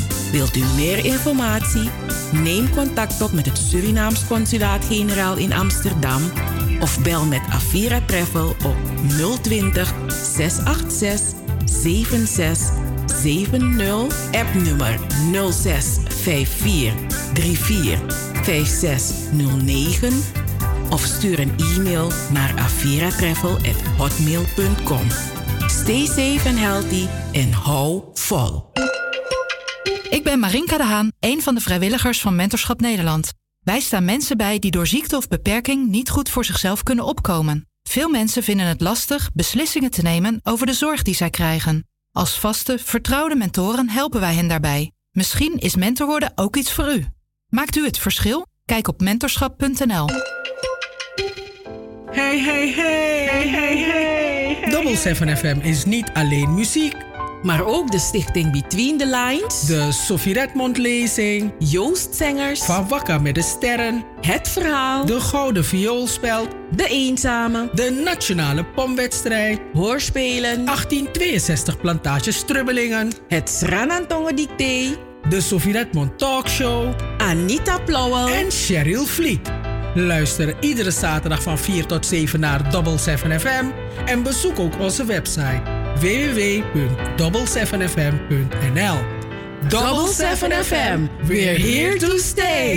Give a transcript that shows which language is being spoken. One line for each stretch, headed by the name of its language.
Dutch: Wilt u meer informatie? Neem contact op met het Surinaams consulaat-generaal in Amsterdam of bel met Avira Travel op 020-686-7670, appnummer 0654-345609 of stuur een e-mail naar aviratravel@hotmail.com.
English: Stay safe and healthy and
Dutch: hou vol. Ik ben Marinka de Haan, een van de vrijwilligers van Mentorschap Nederland. Wij staan mensen bij die door ziekte of beperking niet goed voor zichzelf kunnen opkomen. Veel mensen vinden het lastig beslissingen te nemen over de zorg die zij krijgen. Als vaste, vertrouwde mentoren helpen wij hen daarbij. Misschien is mentor worden ook iets voor u. Maakt u het verschil? Kijk op mentorschap.nl. Hey, hey, hey! Hey, hey, hey! Double7FM is niet alleen muziek. Maar ook de stichting Between the Lines. De Sophie Redmond Lezing. Joost Zengers. Van Wakka met de Sterren. Het Verhaal. De Gouden Vioolspeld. De Eenzame. De Nationale Pomwedstrijd. Hoorspelen. 1862 Plantage Strubbelingen. Het Sranantongen Dictee. De Sophie Redmond Talkshow. Anita Plauwel. En Cheryl Vliet. Luister iedere zaterdag van 4 tot 7 naar Double7FM. En bezoek ook onze website www.double7fm.nl.
English: Double7FM, we're here to stay.